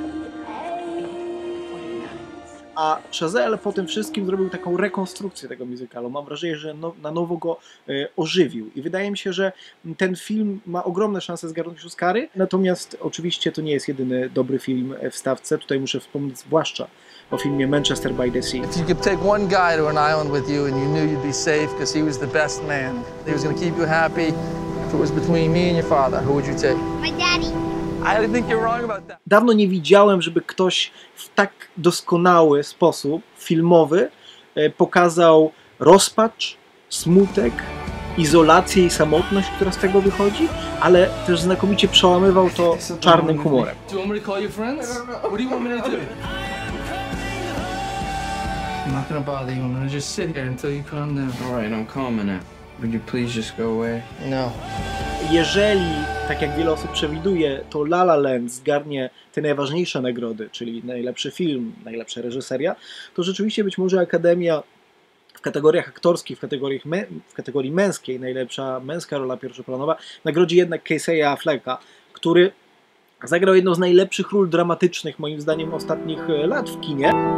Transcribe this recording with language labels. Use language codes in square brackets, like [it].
[pl] 42, 43, 45, 49. A Chazelle po tym wszystkim zrobił taką rekonstrukcję tego musicalu. Mam wrażenie, że na nowo go ożywił. I wydaje mi się, że ten film ma ogromne szanse zgarnąć Oscary. Natomiast oczywiście to nie jest jedyny dobry film w stawce. Tutaj muszę wspomnieć zwłaszcza o filmie [en] Manchester by the Sea. If you could take one guy to an island with you and you knew you'd be safe because he was the best man, he was going to keep you happy. If it was between me and your father, who would you take? My daddy. I think you're wrong about that. [pl] Dawno nie widziałem, żeby ktoś w tak doskonały sposób filmowy pokazał rozpacz, smutek, izolację i samotność, która z tego wychodzi, ale też znakomicie przełamywał to czarnym humorem. [en] Do you want me to call your friends? What do you want me to do? I'm not gonna bother you. I'm gonna just sit here until you calm down. All right, I'm calming it. Would you please just go away? No. [pl] Jeżeli, tak jak wiele osób przewiduje, to La La Land zgarnie te najważniejsze nagrody, czyli najlepszy film, najlepsza reżyseria, to rzeczywiście być może Akademia w kategoriach aktorskich, w kategorii męskiej, najlepsza męska rola pierwszoplanowa, nagrodzi jednak Casey'a Afflecka, który zagrał jedną z najlepszych ról dramatycznych, moim zdaniem, ostatnich lat w kinie.